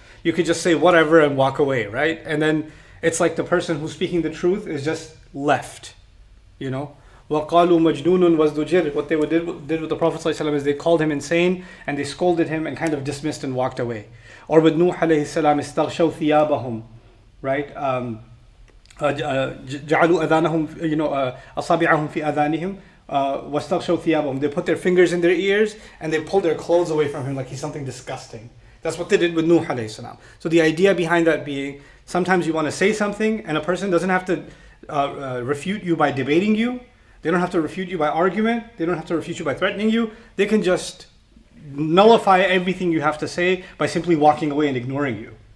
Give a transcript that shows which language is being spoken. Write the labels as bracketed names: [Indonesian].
[English] You could just say whatever and walk away, right? And then it's like the person who's speaking the truth is just left, you know? [Arabic] وَقَالُوا مَجْنُونٌ وَزْدُجِرْ. [English] What they did with the Prophet ﷺ is they called him insane and they scolded him and kind of dismissed and walked away. Or with Nuh alayhi salam, [Arabic] استغشوا ثيابهم, [English] right? [Arabic] جعلوا أذانهم, you know, أصابعهم في أذانهم, واستغشوا ثيابهم. [English] They put their fingers in their ears and they pulled their clothes away from him like he's something disgusting. That's what they did with Nuh alayhi salam. So the idea behind that being, sometimes you want to say something and a person doesn't have to refute you by debating you. They don't have to refute you by argument. They don't have to refute you by threatening you. They can just nullify everything you have to say by simply walking away and ignoring you.